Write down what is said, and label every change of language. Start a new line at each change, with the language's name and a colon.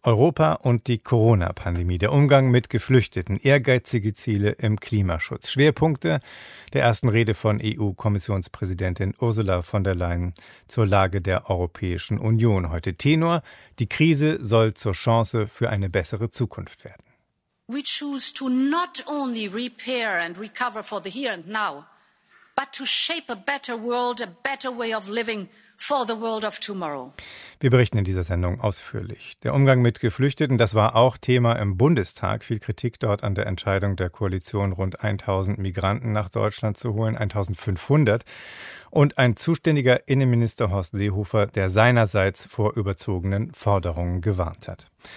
German: Europa und die Corona-Pandemie, der Umgang mit Geflüchteten, ehrgeizige Ziele im Klimaschutz. Schwerpunkte der ersten Rede von EU-Kommissionspräsidentin Ursula von der Leyen zur Lage der Europäischen Union. Heute Tenor: Die Krise soll zur Chance für eine bessere Zukunft werden.
English: We choose to not only repair and recover for the here and now, but to shape a better world, a better way of living for the world of tomorrow.
German: Wir berichten in dieser Sendung ausführlich. Der Umgang mit Geflüchteten, das war auch Thema im Bundestag. Viel Kritik dort an der Entscheidung der Koalition, rund 1.000 Migranten nach Deutschland zu holen, 1.500. Und ein zuständiger Innenminister Horst Seehofer, der seinerseits vor überzogenen Forderungen gewarnt hat.